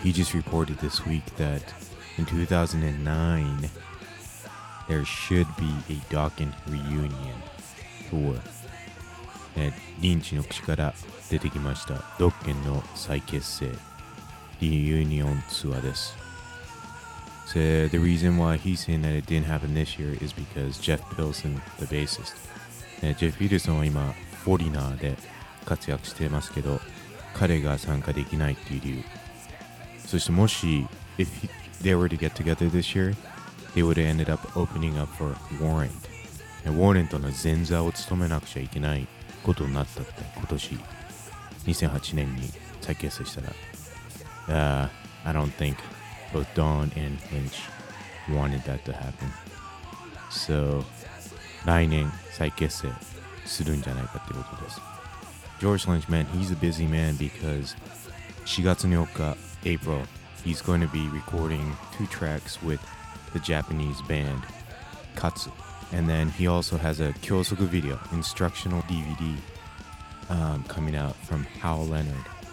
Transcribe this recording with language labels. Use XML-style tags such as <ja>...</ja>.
<en>He just reported this week that in 2009, there should be a Dokken reunion tour.</en> <ja>Lynch の口から出てきました。Dokken の再結成 reunion ツアーです。</ja> <en>So the reason why he's saying that it didn't happen this year is because Jeff Pilson, the bassist.</en> <ja>ジェフ・ピルソンは今、フォリナーで活躍してますけど、彼が参加できないっていう理由。そしてもし、</ja> <en>if they were to get together this year, they would have ended up opening up for Warren.</en> <ja>Warren との前座を務めなくちゃいけないことになったって、今年、2008年に再結成したら。</ja> <en>I don't think both Don and Lynch wanted that to happen. So...</en> <ja>来年再結成するんじゃないかってことです。</ja> <en>George Lynch, man, he's a busy man because</en> <ja>4月4日</ja> <en>April, he's going to be recording two tracks with the Japanese band Katsu. And then he also has a 教則 video, instructional DVD, coming out from Hal Leonard.</en>